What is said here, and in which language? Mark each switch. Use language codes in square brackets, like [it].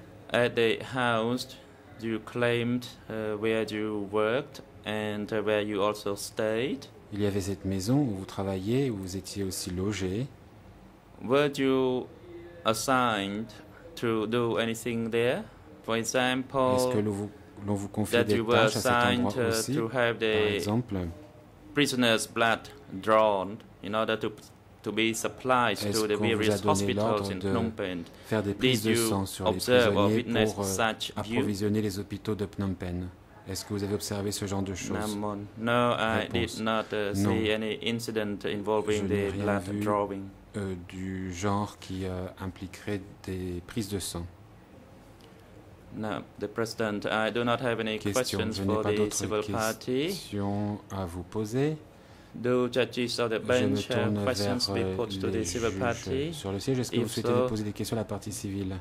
[en] At the house you claimed where you worked and where you also stayed. [fr] Il y avait cette maison où vous travailliez, où vous étiez aussi logé. [en] Were you assigned to do anything there? For example, [fr] l'on vous confie des tâches à cet endroit aussi, par exemple. [en] Prisoners' blood drawn in order to be supplied [fr] est-ce [en] to the various hospitals in Phnom Penh? [fr] Faire des prises de sang sur les prisonniers pour approvisionner les hôpitaux de Phnom Penh? Est-ce que vous avez observé ce genre de choses? [en] No, I did not see any incident involving the blood drawing. [fr] Du genre qui impliquerait des prises de sang. [en] No, the president, I do not have any questions for the civil party. [fr] Je n'ai pas d'autres questions à vous poser. [en] Do judges of the bench have questions be put to the civil party? [fr] Sur le siège, est-ce que vous souhaitez poser des questions à la partie civile?